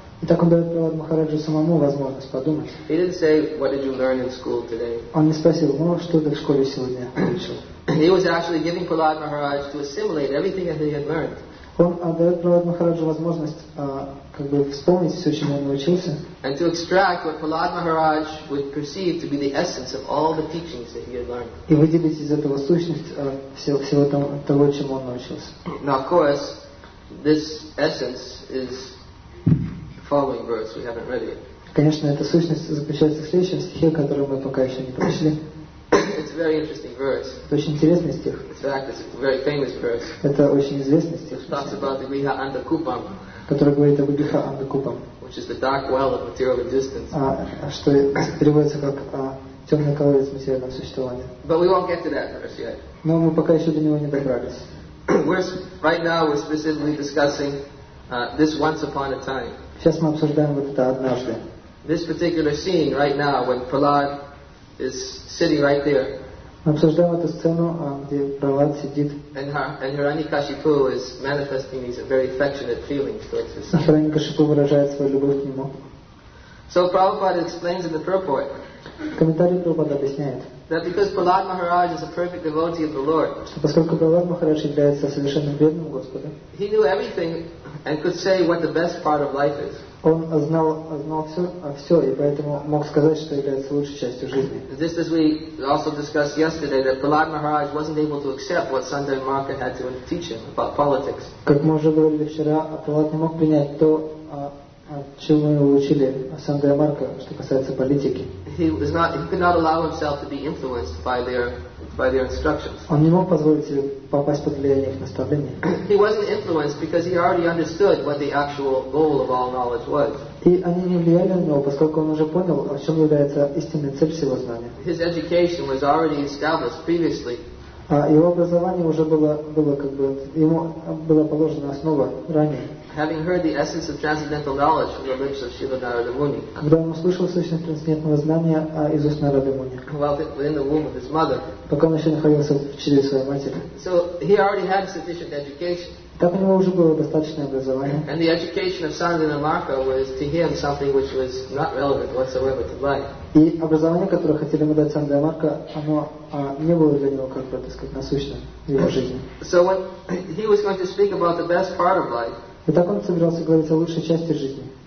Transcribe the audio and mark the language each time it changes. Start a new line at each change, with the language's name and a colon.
Russian: И так он дает Прохлад Махараджу самому возможность подумать.
English: He didn't say, what did you learn in school today?
Russian: Он не спросил, ну что ты в школе сегодня учил.
English: He was actually giving Prahlad Maharaj to assimilate everything that he had learned.
Russian: Он дает Прохлад Махараджу возможность как бы вспомнить все, чему он научился.
English: And to extract what Prahlad Maharaj would perceive to be the essence of all the teachings that he had learned.
Russian: И выделить из этого сущность всего того, чему он научился.
English: Now, of course, this essence is the following verse we haven't read yet.
Russian: Конечно, эта сущность заключается в следующем стихе, который мы пока еще не прочли.
English: It's a very interesting verse.
Russian: Это очень интересный стих.
English: In fact, it's a very famous verse.
Russian: Это очень известный стих.
English: Which talks about the Griha Andhakupam.
Russian: Который говорит об Griha Andhakupam.
English: Which is the dark well of material existence.
Russian: Что переводится как темный колодец материального существования.
English: But we won't get to that verse yet.
Russian: Но мы пока еще до него не добрались.
English: Right now we're specifically discussing this once upon a time.
Russian: Сейчас мы обсуждаем вот это однажды.
English: This particular scene right now when Prahlad is sitting right there.
Russian: Мы обсуждаем эту сцену, где Прохлад сидит.
English: And Hiranyakashipu is manifesting these very affectionate feelings towards his son.
Russian: Hiranyakashipu выражает свою любовь к нему.
English: So Prabhupada explains in the purport.
Russian: Комментарий Прабхупады объясняет,
English: that because Prahlad Maharaj is a perfect devotee of the Lord,
Russian: поскольку Прахлад Махарадж является совершенным верным Господу,
English: he knew everything and could say what the best part of life is.
Russian: Он знал все, и поэтому мог сказать, что является лучшей частью жизни.
English: This is we also discussed yesterday that Prahlad Maharaj wasn't able to accept what Sundar Marka had to teach him about politics.
Russian: Как мы уже говорили вчера, Прахлад не мог принять то, чем мы его учили о Сандре Марка, что касается политики.
English: He could not allow himself to be influenced by their instructions.
Russian: Он не мог позволить себе попасть под влияние их наставления.
English: He wasn't influenced because he already understood what the actual goal of all knowledge was.
Russian: И они не влияли на него, поскольку он уже понял, в чем является истинная цель всего знания.
English: His education was already established previously.
Russian: Его образование уже было как бы ему была положена основа ранее.
English: Having heard the essence of transcendental knowledge from the lips of Śrīla Nārada Muni,
Russian: когда он услышал сущность трансцендентного знания из уст Нарады Муни,
English: while in the womb of his mother,
Russian: пока он еще находился в чреве своей матери,
English: so he already had sufficient education.
Russian: Так у него уже было достаточное образование.
English: And the education of Sandana Marka was to him something which was not relevant whatsoever to life.
Russian: И образование, которое хотели ему дать Сандана Марка, оно не было для него как бы, так сказать, насущным в его жизни.
English: So when he was going to speak about the best part of life.
Russian: И так он собирался говорить о лучшей части жизни.